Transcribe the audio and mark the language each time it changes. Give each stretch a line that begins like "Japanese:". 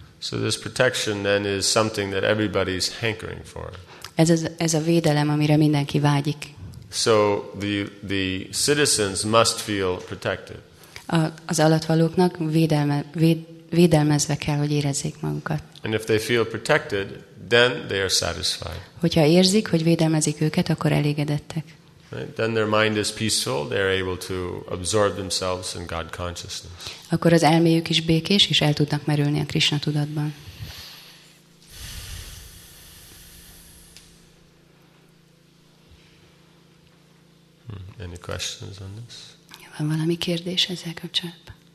English: So this protection then is something that everybody's hankering for.
Hungarian: Ez a védelem, amire mindenki vágyik.
English: So the citizens must feel protected.
Hungarian: Az alattvalóknak védelmezve kell, hogy érezzék magukat.
English: And if they feel protected, then they are satisfied.
Hungarian: Hogyha érzik, hogy védelmezik őket, akkor elégedettek.
English: Right? Then their mind is peaceful, they are able to absorb themselves in God consciousness.
Hungarian: Akkor az elméjük is békés, és el tudnak merülni a Krishna tudatban.
English: Any questions on this?
Hungarian: Van valami kérdés ezzel kapcsolatban?